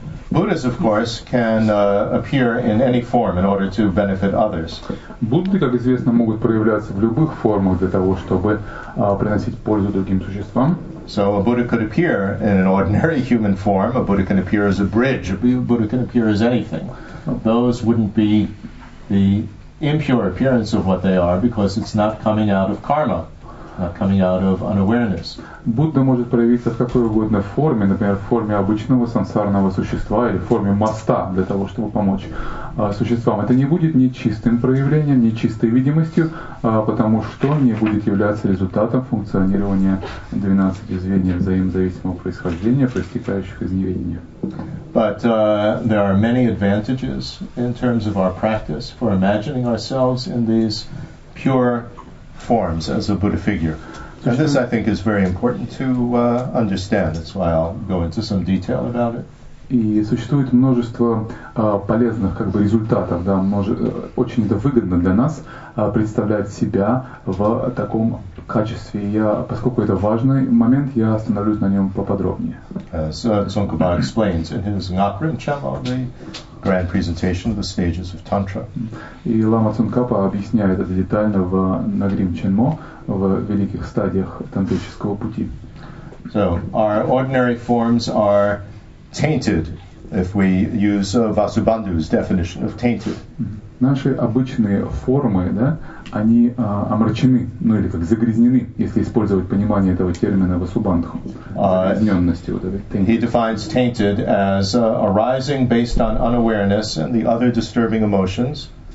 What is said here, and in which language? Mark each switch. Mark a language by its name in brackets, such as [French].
[English] Buddhas, of course, can appear in any form in order to benefit others. [Russian] Будды, как известно, могут проявляться в любых формах для того, чтобы приносить пользу другим существам. [English] So a Buddha could appear in an ordinary human form. A Buddha can appear as a bridge. A Buddha can appear as anything. Those wouldn't be the impure appearance of what they are, because it's not coming out of karma. Coming out of unawareness. [Russian] Будда может проявиться в какой угодно форме, например, в форме обычного сансарного существа или в форме моста для того, чтобы помочь существам. Это не будет нечистым проявлением, нечистой видимостью, потому что не будет являться результатом функционирования 12 звеньев взаимозависимого происхождения, проистекающих из неведения. [English] But there are many advantages in terms of our practice for imagining ourselves in these pure forms as a Buddha figure. And this, I think, is very important to understand. That's why I'll go into some detail about it. [Russian] И существует множество полезных как бы результатов, да, очень это выгодно для нас представлять себя в таком качестве. Я, поскольку это важный момент, я остановлюсь на нем поподробнее. [English] Цонгпа explains in his Ngakrim Chamo, the grand presentation of the stages of Tantra. [Russian] И Лама Цонгпа объясняет это детально в Нагрим Ченмо, в великих стадиях тантрического пути. [English] So, our ordinary forms are tainted, if we use Vasubandhu's definition of tainted. [Russian] Наши обычные формы, да, они омрачены, ну или как загрязнены, если использовать понимание этого термина Васубандху, загрязненности. Вот этой [English] tainted. He defines tainted as arising based on unawareness and the other disturbing emotions.